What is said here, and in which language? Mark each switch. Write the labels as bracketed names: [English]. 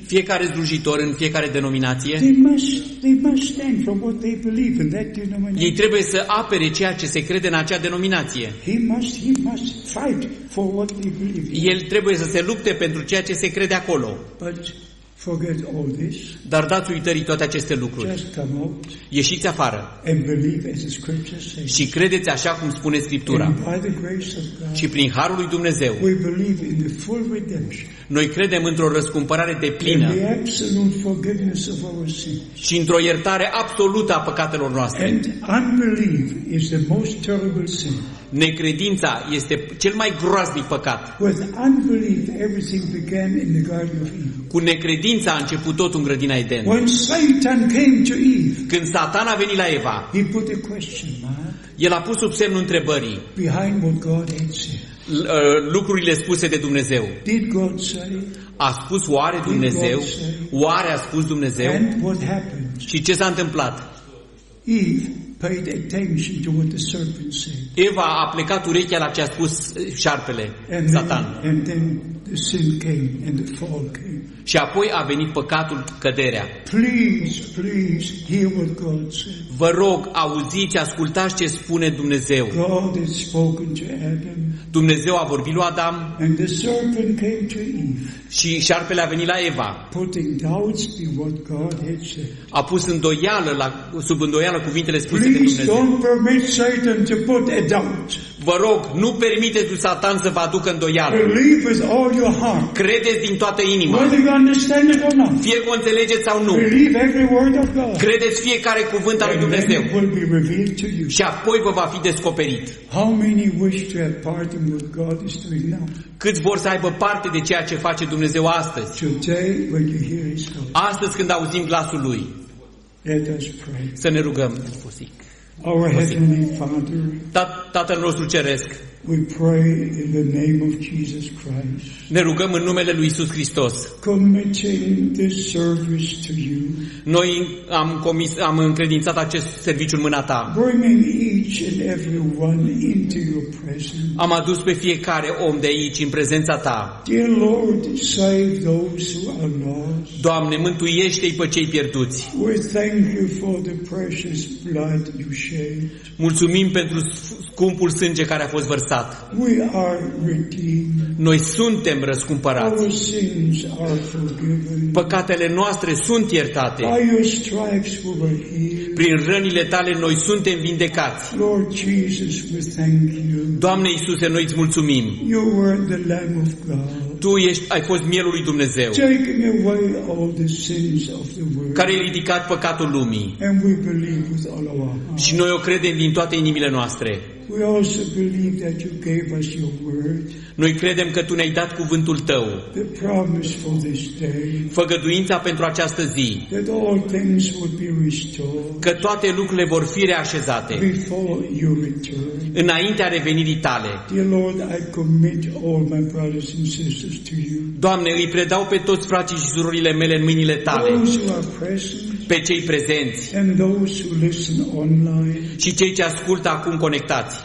[Romanian] fiecare slujitor în fiecare denominație, [English] they must stand for what they believe in that denomination. [Romanian] Ei trebuie să apere ceea ce se crede în acea denominație. [English] He must fight for what he believes. [Romanian] El trebuie să se lupte pentru ceea ce se crede acolo. [English] But Forget all this. [Romanian] Dar dați uitării toate aceste lucruri. Ieșiți afară. [English] And believe as the scripture says. [Romanian] Și credeți așa cum spune Scriptura. [English] And by the grace of God. [Romanian] Și prin harul lui Dumnezeu. [English] We believe in the full redemption. [Romanian] Noi credem într-o răscumpărare deplină. [English] And the absolute forgiveness of our sins. [Romanian] Și într-o iertare absolută a păcatelor noastre. [English] And unbelief is the most terrible sin. [Romanian] Necredința este cel mai groaznic păcat. [English] With unbelief, everything began in the Garden of Eden. [Romanian] Cu necredința a început tot în grădina Eden. [English] When Satan came to Eve, [Romanian] când Satan a venit la Eva, [English] he put a question mark. [Romanian] El a pus sub semnul întrebării. [English] Behind what God had said. [Romanian] Lucrurile spuse de Dumnezeu. [English] Did God say? [Romanian] A spus oare Dumnezeu? Oare a spus Dumnezeu? [English] And what happened? [Romanian] Și ce s-a întâmplat? [English] Eve paid attention to what the serpent said. [Romanian] Eva a plecat urechea la ce a spus șarpele, Satan. [English] And then the sin came and the fall came. [Romanian] Și apoi a venit păcatul, căderea. [English] Please, please hear what God says. [Romanian] Vă rog, auziți, ascultați ce spune Dumnezeu. [English] God has spoken to Adam. [Romanian] Dumnezeu a vorbit lui Adam. [English] And the serpent came to Eve. [Romanian] Și șarpele a venit la Eva. [English] Putting doubts in what God had said. [Romanian] A pus îndoială la sub îndoială cuvintele spuse [English] please [Romanian] de Dumnezeu. [English] Don't permit Satan to put a doubt. [Romanian] Vă rog, nu permiteți lui Satan să vă aducă îndoială. [English] Believe with all your heart. [Romanian] Credeți din toată inima. Fie că o înțelegeți sau nu. [English] Believe every word of God. [Romanian] Credeți fiecare cuvânt al lui Dumnezeu. [English] Will be revealed to you. [Romanian] Și apoi vă va fi descoperit. [English] How many wish to have part in what God is doing now? [Romanian] Câți vor să aibă parte de ceea ce face Dumnezeu astăzi? [English] Today, when you hear His voice. [Romanian] Astăzi când auzim glasul lui. [English] Let us pray. [Romanian] Să ne rugăm. [English] Our Heavenly Father, [Romanian] Tatăl nostru ceresc. [English] We pray in the name of Jesus Christ. [Romanian] Ne rugăm în numele lui Iisus Hristos. [English] Committing this service to you. [Romanian] Noi am încredințat acest serviciu în mâna ta. [English] Bringing each and every one into your presence. [Romanian] Am adus pe fiecare om de aici în prezența ta. [English] Dear Lord, save those who are lost. [Romanian] Doamne, mântuiește-i pe cei pierduți. [English] We thank you for the precious blood you shed. [Romanian] Mulțumim pentru scumpul sânge care a fost vărsat. [English] We are redeemed. [Romanian] Noi suntem răscumpărați. [English] Our sins are forgiven. [Romanian] Păcatele noastre sunt iertate. [English] By your stripes we were healed. [Romanian] Prin rănile tale noi suntem vindecați. [English] Lord Jesus, we thank you. [Romanian] Doamne Iisuse, noi îți mulțumim. [English] You were the Lamb of God. [Romanian] Tu ești, ai fost mielul lui Dumnezeu, [English] taking away all the sins of the world, [Romanian] care a ridicat păcatul lumii. [English] And we believe with all our heart. [Romanian] Și noi o credem din toate inimile noastre. [English] We also believe that you gave us your word. [Romanian] Noi credem că tu ne-ai dat cuvântul tău. [English] The promise for this day. [Romanian] Făgăduința pentru această zi. [English] That all things would be restored. [Romanian] Că toate lucrurile vor fi reașezate. [English] Before your return. [Romanian] Înaintea revenirii tale. [English] Dear Lord, I commit all my brothers and sisters to you. [Romanian] Doamne, îi predau pe toți frații și surorile mele în mâinile tale. [English] Those who are present. [Romanian] Pe cei prezenți [English] and those who listen online, [Romanian] și cei ce ascultă acum conectați.